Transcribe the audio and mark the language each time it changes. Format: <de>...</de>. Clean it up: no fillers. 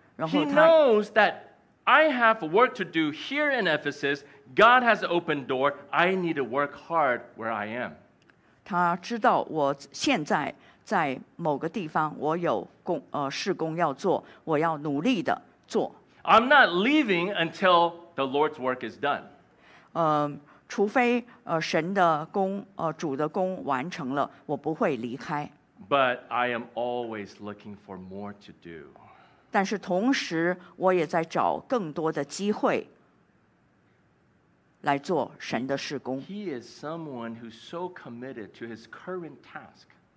<en>He knows that I have work to do here in Ephesus. God has an open door. I need to work hard where I am.</en> <zh>他知道我现在在某个地方，我有事工要做，我要努力的做。</zh> <en>I'm not leaving until the Lord's work is done.</en> <zh>除非神的工主的工完成了，我不会离开。</zh> <en>But I am always looking for more to do.</en> <zh>但是同时我也在找更多的机会来做神的事工。</zh> <en>He is someone who's so committed to his current task.</en>